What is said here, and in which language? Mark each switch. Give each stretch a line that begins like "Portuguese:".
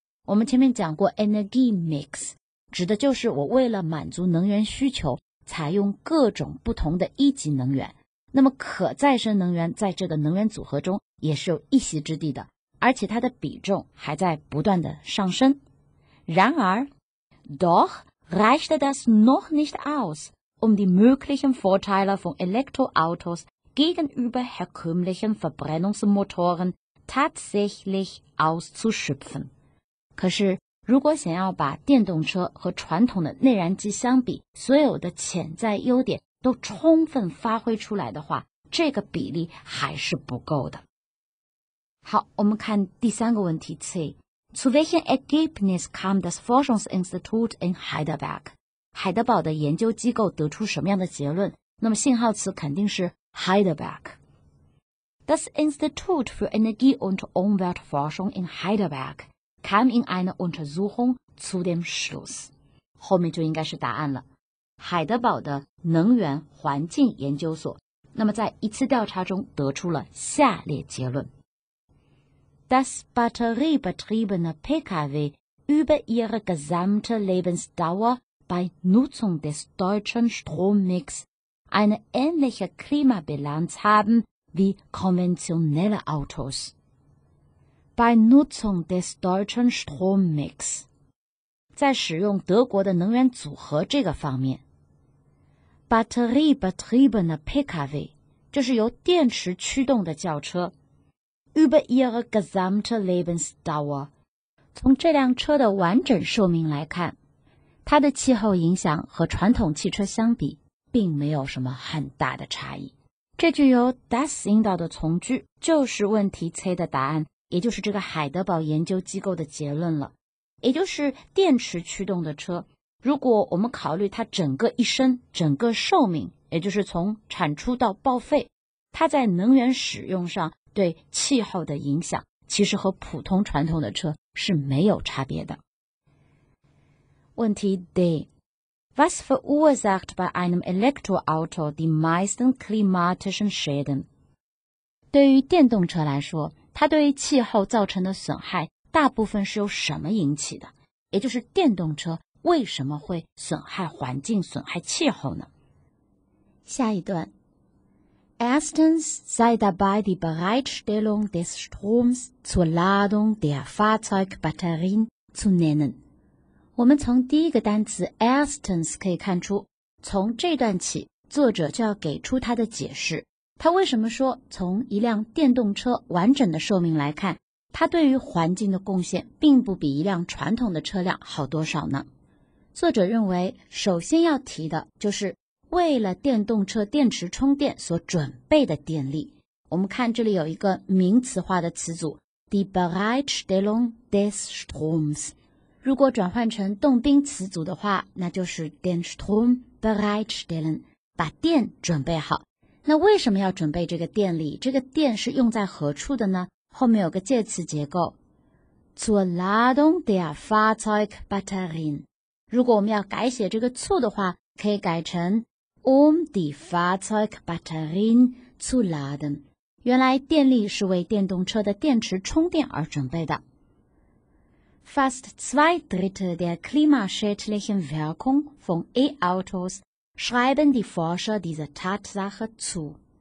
Chinese: 我们前面讲过
English: energy mix，
Chinese: 指的就是我为了满足能源需求采用各种不同的一级能源，那么可再生能源在这个能源组合中也是有一席之地的，而且它的比重还在不断的上升。然而
German: Doch reicht das noch nicht aus， um die möglichen Vorteile von Elektroautos gegenüber herkömmlichen Verbrennungsmotoren tatsächlich auszuschöpfen。
Chinese: 可是如果想要把电动车和传统的内燃机相比，所有的潜在优点都充分发挥出来的话，这个比例还是不够的。好，我们看第三个问题 C。
German: Zu welchen Ergebnis kam das Forschungsinstitut in Heidelberg?
Chinese: 海德堡的研究机构得出什么样的结论？那么信号词肯定是 Heidelberg。
German: Das Institut für Energie und Umweltforschung in Heidelbergkam in einer Untersuchung zu dem Schluss。
Chinese: 后面就应该是答案了，海德堡的能源环境研究所那么在一次调查中得出了下列结论。
German: Das batteriebetriebene PKW über ihre gesamte Lebensdauer bei Nutzung des deutschen Strommix eine ähnliche Klimabilanz haben wie konventionelle Autos。 By Nutzung des deutschen Strommix，
Chinese: 在使用德国的能源组合这个方面，
German: Batteriebetriebene PKW
Chinese: 就是由电池驱动的轿车，
German: Über ihre gesamte Lebensdauer，
Chinese: 从这辆车的完整寿命来看，它的气候影响和传统汽车相比并没有什么很大的差异。这句由 das 引导的从句就是问题 C 的答案，也就是这个海德堡研究机构的结论了。也就是电池驱动的车，如果我们考虑它整个一生整个寿命，也就是从产出到报废，它在能源使用上对气候的影响其实和普通传统的车是没有差别的。 Wunti D.
German: Was verursacht bei einem Elektroauto die meisten klimatischen Schäden?
Chinese: 对于电动车来说，它对气候造成的损害大部分是由什么引起的？也就是电动车为什么会损害环境、损害气候呢？下一段。
German: Erstens sei dabei die Bereitstellung des Stroms zur Ladung der Fahrzeugbatterien zu nennen.
Chinese: 我们从第一个单词 erstens 可以看出，从这段起，作者就要给出他的解释。他为什么说从一辆电动车完整的寿命来看，它对于环境的贡献并不比一辆传统的车辆好多少呢？作者认为，首先要提的就是为了电动车电池充电所准备的电力。我们看这里有一个名词化的词组
German: die Bereitstellung des Stroms，
Chinese: 如果转换成动宾词组的话，那就是
German: den Strom bereitstellen，
Chinese: 把电准备好。那为什么要准备这个电力？这个电是用在何处的呢？后面有个介词结构
German: zur Ladung der Fahrzeugbatterien。
Chinese: 如果我们要改写这个 zu 的话，可以改成
German: um die Fahrzeugbatterien zu laden。
Chinese: 原来电力是为电动车的电池充电而准备的。
German: Fast zwei Drittel der klimaschädlichen Wirkung von E-Autos schreiben die Forscher diese Tatsache zu。